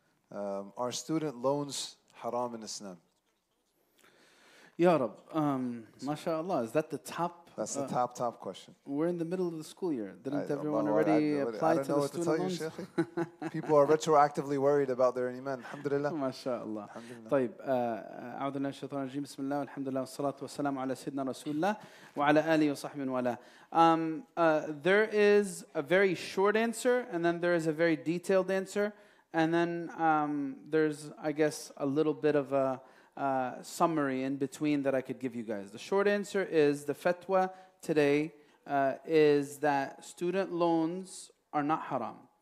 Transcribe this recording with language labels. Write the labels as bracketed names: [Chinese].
[English] Are student loans haram in Islam? Ya Rab, mashallah, is that the top? That's the top question. We're in the middle of the school year. Didn't everyone already apply to the student loans? You, people are retroactively worried about their iman. [Arabic] Alhamdulillah. Mashallah. طيب, أعوذ بالله من الشيطان الرجيم. بسم الله والحمد لله والصلاة والسلام على سيدنا رسول الله وعلى آله وصحبه وله. [English] There is a very short answer, and then there is a very detailed answer, and then there's, I guess, a little bit of a summary in between that I could give you guys. The short answer is the fatwa today is that student loans are not haram.